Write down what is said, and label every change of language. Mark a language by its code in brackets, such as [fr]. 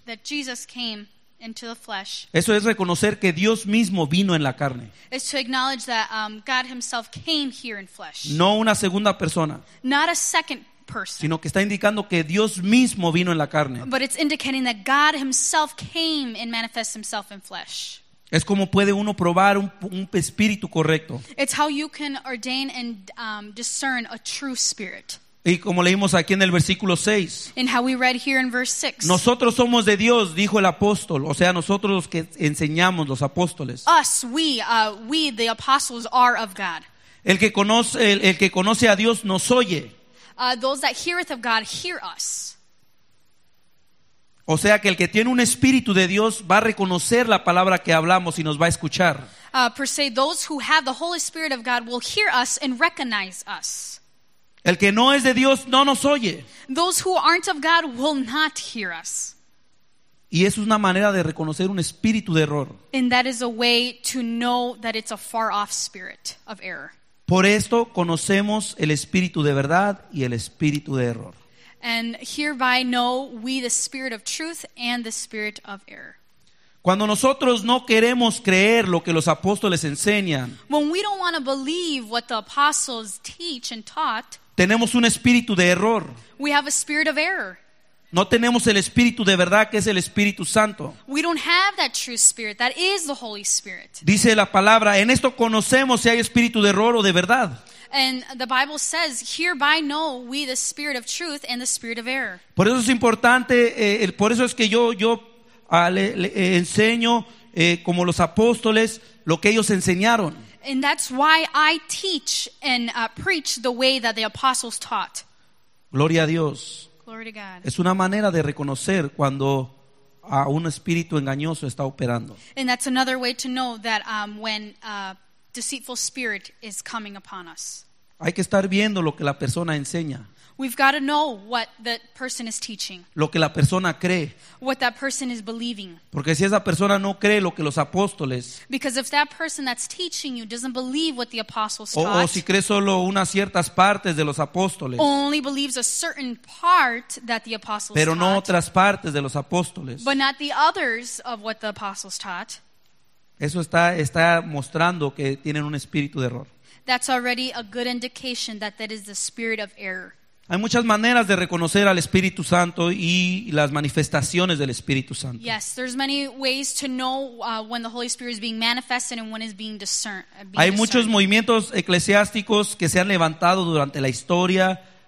[en] That Jesus came into the flesh. [es] Eso es reconocer que Dios mismo vino en la carne. [en] It's to acknowledge that God himself came here in flesh. [es] No una segunda persona. [en] Not a second person. [es] Sino que está indicando que Dios mismo vino en la carne. [en] But it's indicating that God himself came and manifested himself in flesh. [es] Es como puede uno probar un espíritu correcto. [en] It's how you can ordain and discern a true spirit. [es] Y como leímos aquí en el versículo 6. [en] And how we read here in verse 6. [es] Nosotros somos de Dios, dijo el apóstol. O sea, nosotros los que enseñamos, los apóstoles. [en] Us, we the apostles are of God. [es] El que conoce a Dios nos oye. [en] Those that heareth of God hear us. [es] O sea que el que tiene un espíritu de Dios va a reconocer la palabra que hablamos y nos va a escuchar. [en] Per se, those who have the Holy Spirit of God will hear us and recognize us. [es] El que no es de Dios no nos oye. [en] Those who aren't of God will not hear us. [es] Y eso es una manera de reconocer un espíritu de error. [en] And that is a way to know that it's a far off spirit of error. [es] Por esto conocemos el espíritu de verdad y el espíritu de error. [en] And hereby know we the spirit of truth and the spirit of error. [es] Cuando nosotros no queremos creer lo que los apóstoles enseñan, [en] when we don't want to believe what the apostles teach and taught, [es] tenemos un espíritu de error. [en] We have a spirit of error. [es] No tenemos el espíritu de verdad, que es el Espíritu Santo. [en] We don't have that true spirit, that is the Holy Spirit. [es] Dice la palabra, en esto conocemos si hay espíritu de error o de verdad. [en] And the Bible says, hereby know we the spirit of truth and the spirit of error. [es] Por eso es importante, por eso es que yo le enseño como los apóstoles lo que ellos enseñaron. [en] And that's why I teach and preach the way that the apostles taught. [es] Gloria a Dios. [en] Glory to God. [es] Es una manera de reconocer cuando a un espíritu engañoso está operando. [en] And that's another way to know that when a deceitful spirit is coming upon us. [es] Hay que estar viendo lo que la persona enseña. [en] We've got to know what that person is teaching. [es] Lo que la persona cree. [en] What that person is believing. [es] Porque si esa persona no cree lo que los apóstoles. [en] Because if that person that's teaching you doesn't believe what the apostles taught. [es] O si cree solo unas ciertas partes de los apóstoles. [en] Only believes a certain part that the apostles [es] pero [en] taught. [es] Pero no otras partes de los apóstoles. [en] But not the others of what the apostles taught. [es] Eso está mostrando que tienen un espíritu de error. [en] That's already a good indication that that is the spirit of error. [es] Hay muchas maneras de reconocer al Espíritu Santo y las manifestaciones del Espíritu Santo. [en] Yes, there's many ways to know when the Holy Spirit is being manifested and when it's being discerned. [es] Hay muchos movimientos eclesiásticos que se han levantado durante la historia.